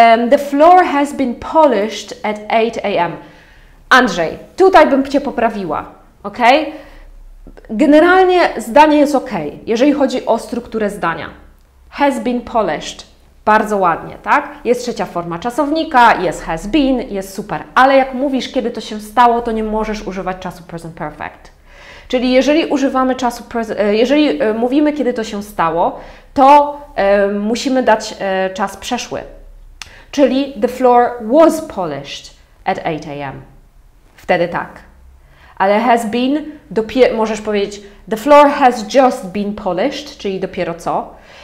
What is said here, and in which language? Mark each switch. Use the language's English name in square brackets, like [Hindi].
[English] The floor has been polished at 8 a.m. [Polish] Andrzej, tutaj bym cię poprawiła. OK? Generalnie zdanie jest OK, jeżeli chodzi o strukturę zdania. [English] Has been polished. [Polish] Bardzo ładnie, tak? Jest trzecia forma czasownika, jest has been, jest super. Ale jak mówisz, kiedy to się stało, to nie możesz używać czasu present perfect. Czyli jeżeli używamy czasu, jeżeli mówimy, kiedy to się stało, to musimy dać czas przeszły. Czyli [English] the floor was polished at 8 a.m. [Polish] Wtedy tak. Ale [English] has been, [Polish] możesz powiedzieć [English] the floor has just been polished, [Polish] czyli dopiero co.